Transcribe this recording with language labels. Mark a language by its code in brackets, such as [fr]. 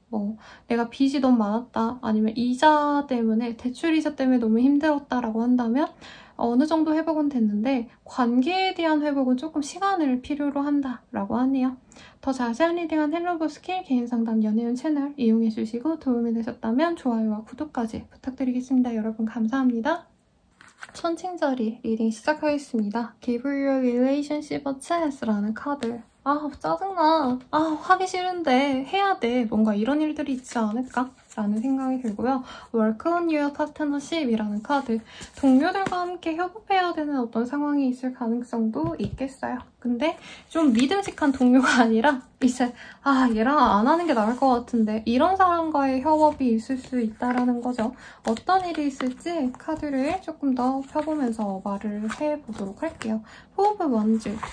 [ko] 뭐, 내가 빚이 너무 많았다, 아니면 이자 때문에, 대출 이자 때문에 너무 힘들었다라고 한다면, 어느 정도 회복은 됐는데, 관계에 대한 회복은 조금 시간을 필요로 한다라고 하네요. 더 자세한 리딩은 헬로우 스킬 개인 상담 연예인 채널 이용해 주시고 도움이 되셨다면 좋아요와 구독까지 부탁드리겠습니다. 여러분, 감사합니다. 천칭자리 리딩 시작하겠습니다. [en] Give your relationship a chance [ko] 라는 카드. 아, 짜증나. 아, 하기 싫은데 해야 돼. 뭔가 이런 일들이 있지 않을까? 라는 생각이 들고요. [en] Work on your partnership [ko] 이라는 카드. 동료들과 함께 협업해야 되는 어떤 상황이 있을 가능성도 있겠어요. 근데 좀 믿음직한 동료가 아니라 이제, 아, 얘랑 안 하는 게 나을 것 같은데. 이런 사람과의 협업이 있을 수 있다라는 거죠. 어떤 일이 있을지 카드를 조금 더 펴보면서 말을 해보도록 할게요. 호흡을 완주.